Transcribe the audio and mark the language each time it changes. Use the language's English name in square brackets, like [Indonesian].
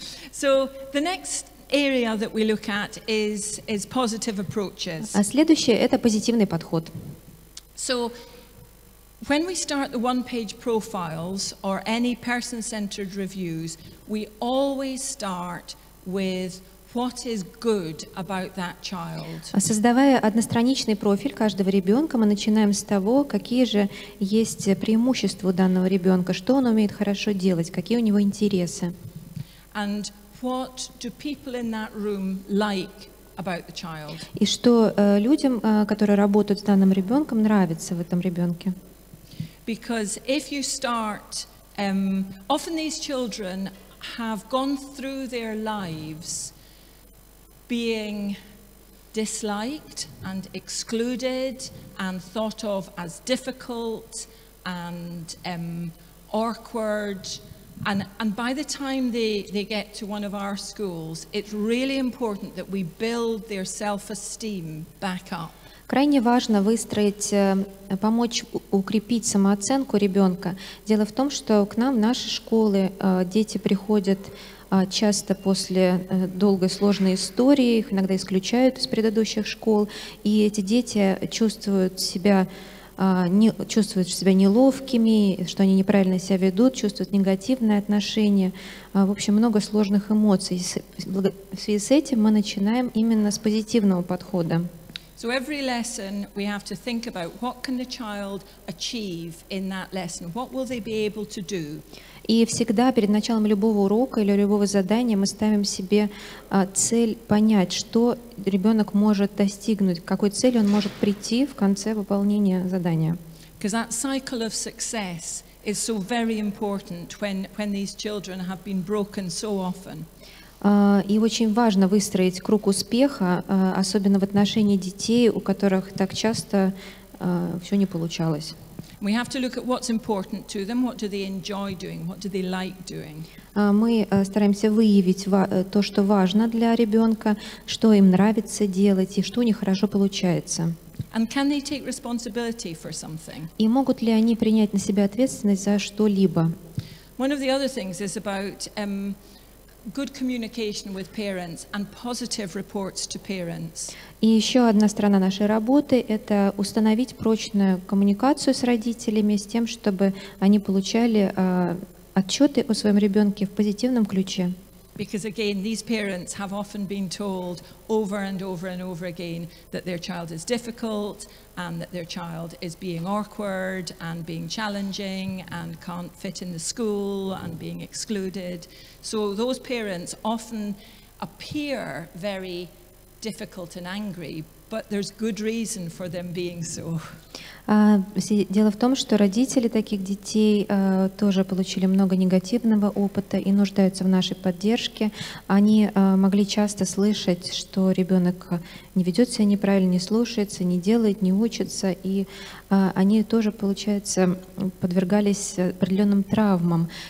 [English] So the next area that we look at is positive approaches. [Russian] А следующее это позитивный подход. [English] So when we start the one-page profiles or any person-centered reviews, we always start with what is good about that child. [Russian] Создавая одностраничный профиль каждого ребенка, мы начинаем с того, какие же есть преимущества у данного ребенка, что он умеет хорошо делать, какие у него интересы. [English] And what do people in that room like about the child? [Russian] И что людям, которые работают с данным ребенком, нравится в этом ребенке. [English] Because if you start, often these children have gone through their lives being disliked and excluded and thought of as difficult and awkward and by the time they get to one of our schools, it's really important that we build their self-esteem back up. [Russian] Крайне важно выстроить, помочь укрепить самооценку ребенка. Дело в том, что к нам в наши школы дети приходят часто после долгой сложной истории, их иногда исключают из предыдущих школ, и эти дети чувствуют себя неловкими, что они неправильно себя ведут, чувствуют негативное отношение, в общем, много сложных эмоций. В связи с этим мы начинаем именно с позитивного подхода. [English] So every lesson we have to think about what can the child achieve in that lesson, what will they be able to do? [Russian] И всегда перед началом любого урока или любого задания мы ставим себе цель понять, что ребенок может достигнуть, к какой цели он может прийти в конце выполнения задания. [English] Because that cycle of success is so very important when these children have been broken so often. [Russian] И очень важно выстроить круг успеха, особенно в отношении детей, у которых так часто все не получалось. [English] We have to look at what's important to them, what do they enjoy doing, what do they like doing. [Russian] Мы стараемся выявить то, что важно для ребенка, что им нравится делать и что у них хорошо получается. [English] And can they take responsibility for something? [Russian] И могут ли они принять на себя ответственность за что-либо? [English] One of the other things is about good communication with parents and positive reports to parents. [Russian] И еще одна сторона нашей работы – это установить прочную коммуникацию с родителями, с тем, чтобы они получали отчеты о своем ребенке в позитивном ключе. [English] Because again, these parents have often been told over and over and over again that their child is difficult and that their child is being awkward and being challenging and can't fit in the school and being excluded. So those parents often appear very difficult and angry, but there's good reason for them being so. [Russian] Дело в том, что родители таких детей тоже получили много негативного опыта и нуждаются в нашей поддержке. Они могли часто слышать, что ребенок не ведет себя неправильно, не слушается, не делает, не учится, и они тоже, получается, подвергались определенным травмам.